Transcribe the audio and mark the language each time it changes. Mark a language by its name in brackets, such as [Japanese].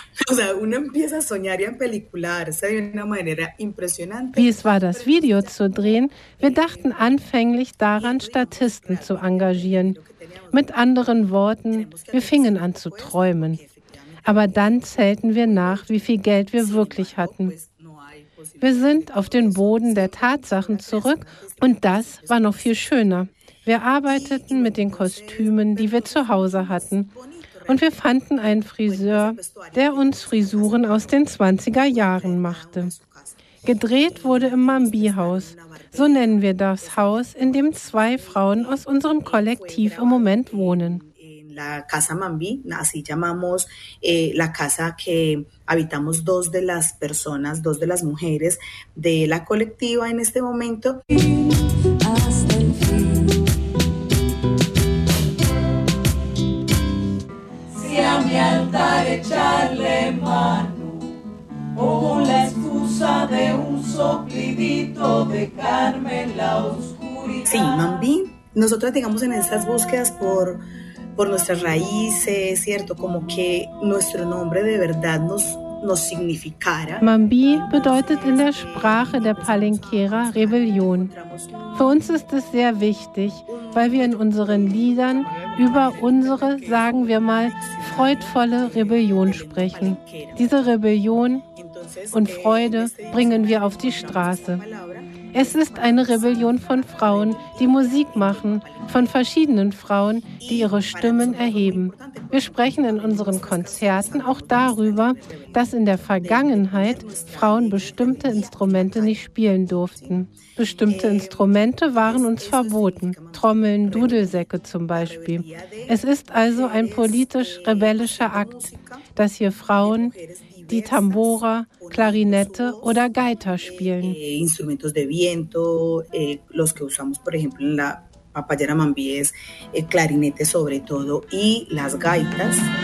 [Spanish] O sea, uno empieza a soñar y a pelicularse de una manera impresionante. [German] Wie es war, das Video zu drehen? Wir dachten anfänglich daran, Statisten zu engagieren. Mit anderen Worten, wir fingen an zu träumen. Aber dann zählten wir nach, wie viel Geld wir wirklich hatten. Wir sind auf den Boden der Tatsachen zurück und das war noch viel schöner. Wir arbeiteten mit den Kostümen, die wir zu Hause hatten. Und wir fanden einen Friseur, der uns Frisuren aus den 20er Jahren machte. Gedreht wurde im Mambi-Haus. So nennen wir das Haus, in dem zwei Frauen aus unserem Kollektiv im Moment wohnen. [Spanish] La casa Mambi, así llamamos la casa que habitamos dos de las personas, dos de las mujeres de la colectiva en este momento. Si a mi altar echarle mano, como la excusa de un soplidito de Carmen la oscuridad. Sí, Mambi, nosotras digamos en estas búsquedas por nuestras raíces, ¿cierto? Como que nuestro nombre de verdad nos significara. [German] Mambí bedeutet in der Sprache der Palenquera Rebellion. Für uns ist es sehr wichtig, weil wir in unseren Liedern über unsere, sagen wir mal, freudvolle Rebellion sprechen. Diese Rebellion und Freude bringen wir auf die Straße. Es ist eine Rebellion von Frauen, die Musik machen, von verschiedenen Frauen, die ihre Stimmen erheben. Wir sprechen in unseren Konzerten auch darüber, dass in der Vergangenheit Frauen bestimmte Instrumente nicht spielen durften. Bestimmte Instrumente waren uns verboten, Trommeln, Dudelsäcke zum Beispiel. Es ist also ein politisch-rebellischer Akt, dass hier Frauen die Tambora, Klarinette oder Gaita spielen. [Spanish] Instrumentos de viento, los que usamos, por ejemplo, en la papayera mambí es clarinete sobre todo y las gaitas.